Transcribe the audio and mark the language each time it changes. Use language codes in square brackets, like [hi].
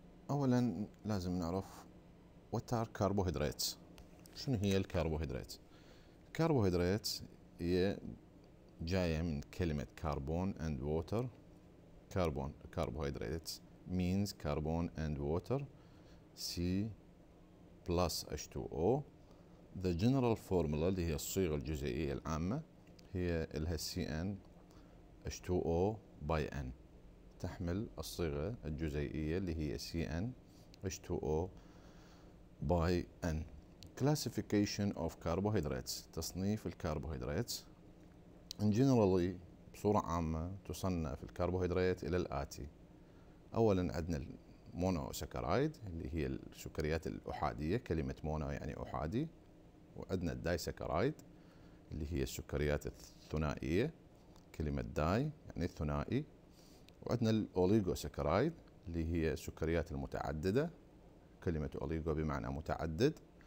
[ar] اولا لازم نعرف [en] what are carbohydrates, [ar] شنو هي الكربوهيدراتس. الكربوهيدراتس هي جايه من كلمه [en] Carbon and water. Carbon carbohydrates means carbon and water, C plus H2O. The general formula [ar] اللي هي الصيغة الجزيئية العامة هي الها CN H2O by N، تحمل الصيغة الجزيئية اللي هي CN H2O by N. [en] Classification of carbohydrates، [ar] تصنيف الكربوهيدرات. [en] In generally [ar] بصورة عامة تصنف الكربوهيدرات إلى الآتي. اولا عندنا المونوساكرايد اللي هي السكريات الاحاديه، كلمه مونو يعني احادي، وعندنا الدايساكرايد اللي هي السكريات الثنائيه، كلمه داي يعني ثنائي، وعندنا الاوليغوساكرايد اللي هي السكريات المتعدده، كلمه اوليغو بمعنى متعدد،